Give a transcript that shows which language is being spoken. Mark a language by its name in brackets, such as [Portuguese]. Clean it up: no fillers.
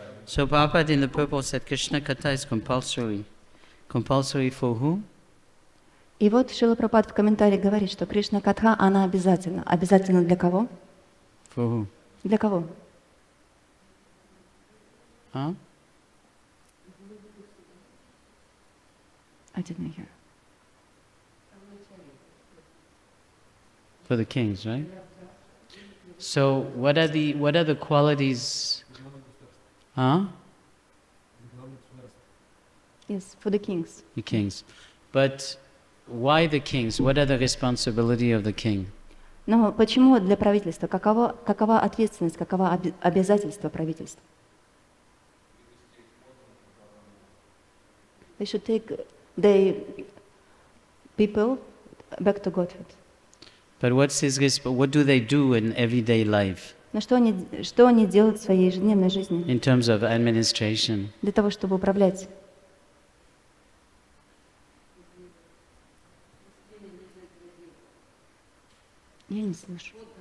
[English] So Prabhupada in the purport said Krishna Katha is compulsory. Compulsory for who? [Russian] И вот Шрила Прабхупада в комментарии говорит, что Кришна Катха, она обязательна. Обязательна для кого? [English] For who? [Russian] Для кого? А? [English] I didn't hear. For the kings, right? So, what are the qualities? Huh? Yes, for the kings. The kings. But why the kings? What are the responsibility of the king? [Russian] Но почему для правительства? Какова ответственность? Какова обязательство правительства? [English] They should take the people back to Godhead. But what's his response? What do they do in everyday life? [Russian] Что они делают в своей ежедневной жизни? [English] In terms of administration. [Russian] Для того, чтобы управлять. Я не слышу.